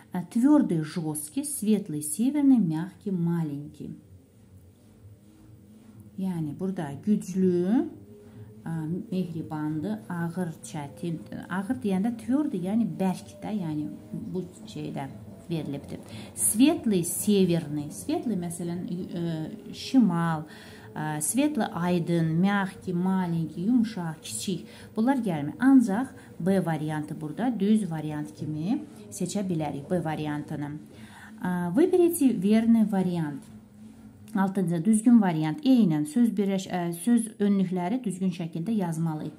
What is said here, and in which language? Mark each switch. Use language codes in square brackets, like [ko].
[ru] Твердый – жесткий, светлый – северный, мягкий – маленький. [az] Yəni, burada güclü, mehribandı, ağır, çətin. Ağır deyəndə [ru] твердый, [az] yəni bərk də, yəni bu şeydə verilibdir. [ru] Светлый – северный. Светлый, [az] məsələn, şimal, [ru] светлый [az] – aydın, [ru] мягкий, маленький, [az] yumuşaq, kiçik. Bunlar gəlmir. Ancaq B variantı burada, düz variant kimi. Seçə bilərik B variantını. [ru] Выберите верный вариант. [az] 6-cı düzgün variant. Eynən söz önlükləri düzgün şəkildə yazmalıyıq.